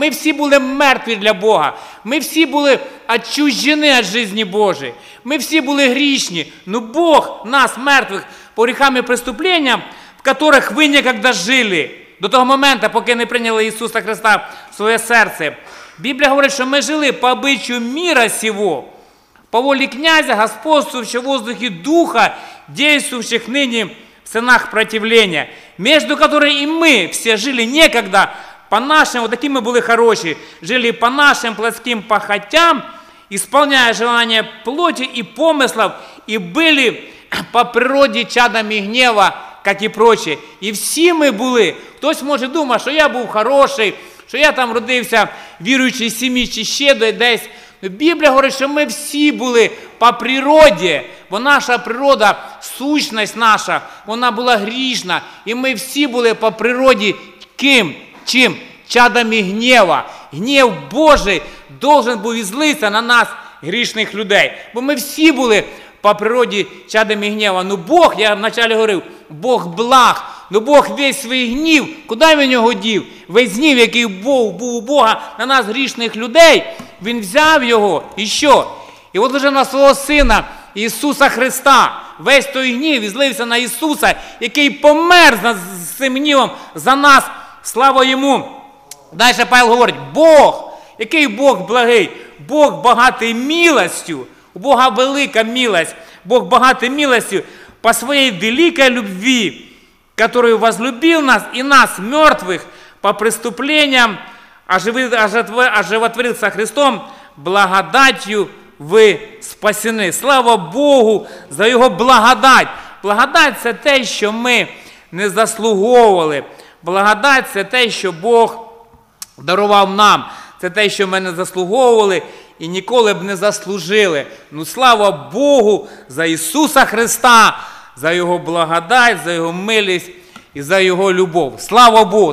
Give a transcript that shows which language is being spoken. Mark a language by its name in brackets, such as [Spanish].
[Ukrainian] Ми всі були мертві для Бога. Ми всі були відчужені від житті Божої. Ми всі були грішні. Ну Бог нас, мертвих, по гріхам і преступленням, в яких ви ніколи жили, до того моменту, поки не прийняли Ісуса Христа в своє серце. Біблія говорить, що ми жили по обичаю міра сього, по волі князя, господствуючого в воздухі духа, діючих нині в синах [Russian] противления, между которой и мы все жили некогда, по нашим, вот такими были хорошие, жили по нашим плотским похотям, исполняя желания плоти и помыслов, и были по природе чадами гнева, как и прочие. И все мы были, кто-то может думать, что я был хороший, что я там родился верующей семьи, [Ukrainian] чи ще десь. [Russian] Но Библия говорит, что мы все были по природе, бо наша природа, сущность наша, [Ukrainian] вона була грішна. І ми всі були по природі ким? Чим? Чадами гнєва. Гнів Божий должен був злитися на нас, грішних людей. Бо ми всі були по природі чадами гнєва. Ну Бог, я вначалі говорив, Бог благ. Ну Бог весь свій гнів, куди він його дів? Весь гнів, який Бог був у Бога на нас, грішних людей, він взяв його, і що? І от лише на свого Сина, Ісуса Христа, весь той гнів злився на Ісуса, який помер за цим гнівом за нас. Слава Йому! Далі Павел говорить, Бог, який Бог благий, Бог багатий милістю, у Бога велика милість, [Russian] Бог богатый милостью по своей великой любви, которую возлюбил нас и нас, мертвых, по преступлениям, оживотворился Христом, благодатью вы спасены. [Ukrainian] Слава Богу за Його благодать. Благодать – це те, що ми не заслуговували. Благодать – це те, що Бог дарував нам. Це те, що ми не заслуговували і ніколи б не заслужили. Ну, слава Богу за Ісуса Христа, за Його благодать, за Його милість і за Його любов. Слава Богу!